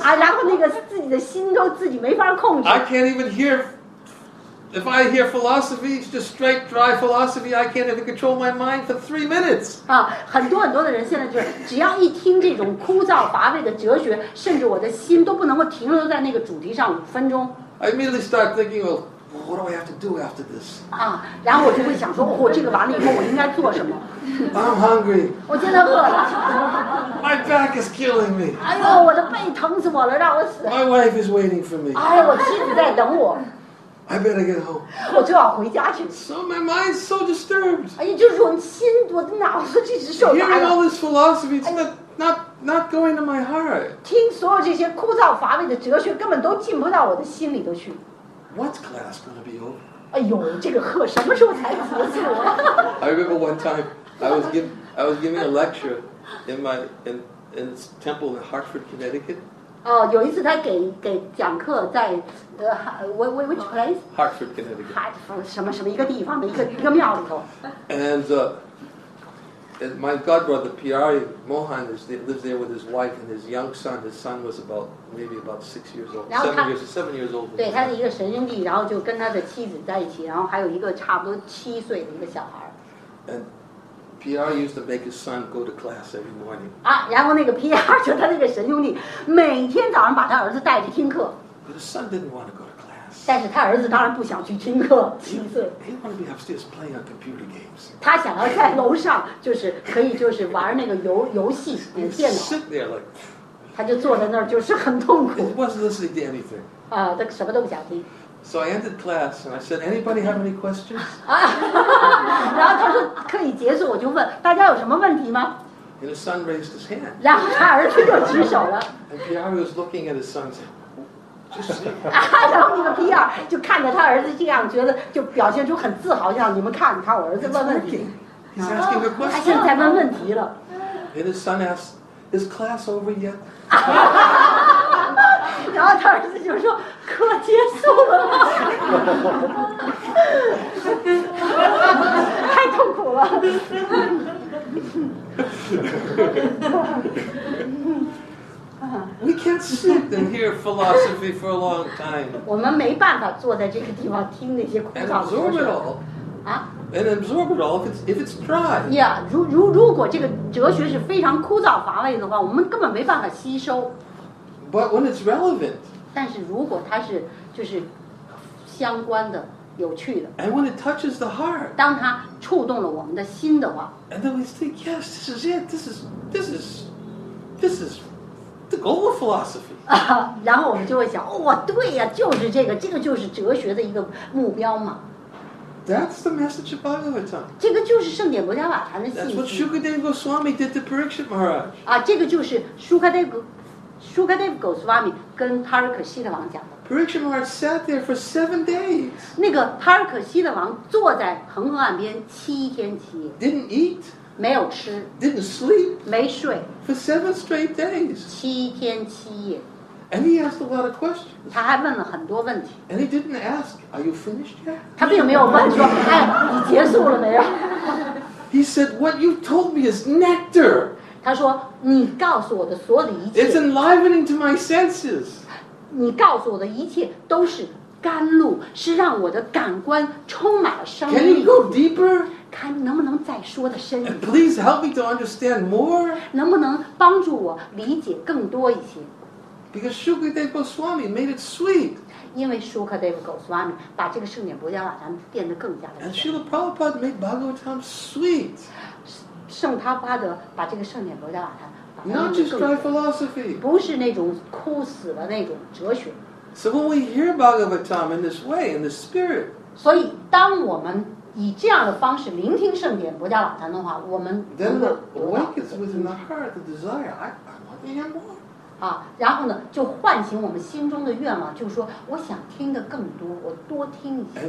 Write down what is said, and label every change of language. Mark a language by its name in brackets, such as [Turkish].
[Chinese] 啊，然后那个自己的心都自己没法控制。 [English] I can't even hear. If I hear philosophy, just straight dry philosophy, I can't even control my mind for 3 minutes. [Chinese] 啊，很多很多的人现在就是只要一听这种枯燥乏味的哲学，甚至我的心都不能够停留在那个主题上5分钟。 [English] I immediately start thinking, well, what do I have to do after this? [Chinese] 啊，然后我就会想说，我这个完了以后我应该做什么？ [English] I'm hungry. [Chinese] 我现在饿了。 [English] My back is killing me. [Chinese] 哎呦，我的背疼死我了，让我死。 [English] My wife is waiting for me. [Chinese] 哎呀，我妻子在等我。 [English] I better get home. [Chinese] 我就要回家去。 [English] So my mind's so disturbed. [Chinese] 哎呀，就是我的脑子一直受打扰。 [English] Hearing all this philosophy, it's not going to my heart. [Chinese] 听所有这些枯燥乏味的哲学，根本都进不到我的心里头去。 [English] What class gonna be over? [Chinese] 哎呦，这个课什么时候才结束 [English] 啊？I remember one time I was giving a lecture in this temple in Hartford, Connecticut. [Chinese] 哦，有一次他给讲课在 [English] which place? Hartford, Connecticut. [Chinese] Hartford 什么什么一个地方的一个庙里头。 [English] And my godbrother, P.R. Mohan, lives there with his wife and his young son. His son was about 6 years old. 7 years old. [Chinese] 对，他是一个神经病，然后就跟他的妻子在一起，然后还有一个差不多7岁的一个小孩。 [English] And P.R. used to make his son go to class every morning. [Chinese] 啊，然后那个 P.R. 就他那个神经病，每天早上把他儿子带去听课。 [English] But his son didn't want to go to class. [Chinese] 但是他儿子当然不想去听课，7岁。 [English] He wanted to be upstairs playing on computer games. [Chinese] 他想要在楼上，就是可以就是玩那个游戏，电脑。 [English] He'd sit there like. [Chinese] 他就坐在那儿，就是很痛苦。 [English] He wasn't listening to anything. [Chinese] 啊，他什么都不想听。 [English] So I ended class and I said, "Anybody have any questions?" [Chinese] 啊，然后他说可以结束，我就问大家有什么问题吗？ [English] And his son raised his hand. [Chinese] 然后他儿子就举手了。 [English] And Pierre was looking at his son, saying, "Just." [Chinese] 然后那个 Pierre 就看着他儿子这样，觉得就表现出很自豪，像你们看他儿子问问题。 [English] He's asking a question. [Chinese] 他现在问问题了。 [English] And his son asked, "Is class over yet?" [Chinese] 然后他儿子就说。课结束了，太痛苦了。 [English] We can't sit and hear philosophy for a long time. [Chinese] 我们没办法坐在这个地方听那些枯燥的。 [English] And absorb it all. 啊？And absorb it all if it's dry. Yeah. [Chinese] 如果这个哲学是非常枯燥乏味的话，我们根本没办法吸收。 [English] But when it's relevant. [Chinese] 但是如果它是就是相关的有趣的 [English] ，and when it touches the heart， [Chinese] 当它触动了我们的心的话 [English] ，and then we think yes， this is it， this is the goal of philosophy。 [Chinese] 然后我们就会想，哇，对呀，就是这个，这个就是哲学的一个目标嘛。 [English] But That's the message of Bhagavatam. [Chinese] 这个就是圣典摩迦瓦坛的信息。 [English] That's what Shukadev Goswami did to Parikshit Maharaj. [Chinese] 啊，这个就是 Shukadev Goswami 跟 Tarakasita 王讲的。 [English] Parikshit Maharaj sat there for 7 days. [Chinese] 那个 Tarakasita 王坐在恒河岸边7天7夜。 [English] Didn't eat. [Chinese] 没有吃。 [English] Didn't sleep. [Chinese] 没睡。 [English] For 7 straight days. [Chinese] 7天7夜。 [English] And he asked a lot of questions. [Chinese] 他还问了很多问题。 [English] And he didn't ask, "Are you finished yet?" [Chinese] 他并没有问说，哎，你结束了没有？ [English] He said, "What you told me is nectar." [Chinese] 他说，你告诉我的所有的一切。 [English] It's enlivening to my senses. [Chinese] 你告诉我的一切都是甘露，是让我的感官充满了生命。 [English] Can you go deeper? [Chinese] 看能不能再说的深一点。 [English] And please help me to understand more. [Chinese] 能不能帮助我理解更多一些？ [English] Because Shukadev Goswami made it sweet. [Chinese] 因为 Shukadev Goswami 把这个圣典摩迦瓦坛变得更加的甜。 [English] And Srila Prabhupada made Bhagavatam sweet. [Chinese] 圣帕巴德把这个圣典摩迦瓦坛。 [English] Not just dry philosophy. [Chinese] 不是那种枯死的那种哲学。 [English] So when we hear Bhagavatam in this way, in the spirit. [Chinese] 所以当我们以这样的方式聆听圣典摩迦瓦坛的话，我们。 [English] Then the awakens within the heart the desire. I want to hear more. [Chinese] 啊，然后呢，就唤醒我们心中的愿望，就是说，我想听得更多，我多听一些。